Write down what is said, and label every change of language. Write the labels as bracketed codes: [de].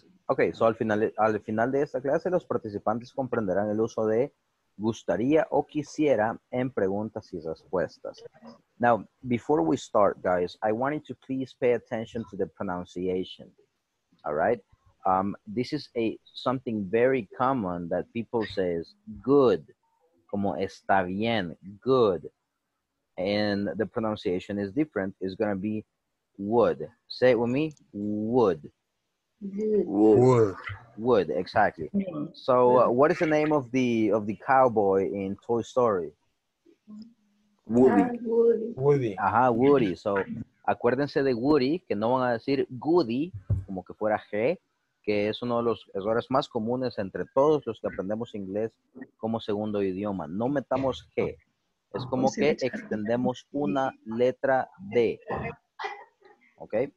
[es] Okay, so al final de esta clase, los participantes comprenderán el uso de gustaría o quisiera en preguntas y respuestas. [en] Now, before we start, guys, I want you to please pay attention to the pronunciation. All right? This is something very common that people say is good. [es] Como está bien, [en] good. And the pronunciation is different. It's going to be would. Say it with me, would. Would, exactly. So what is the name of the cowboy in Toy Story? Woody. Woody. [es] Ajá, Woody. So acuérdense de Woody, que no van a decir Goody, como que fuera G, que es uno de los errores más comunes entre todos los que aprendemos inglés como segundo idioma. No metamos G. Es como que extendemos una letra D. Okay?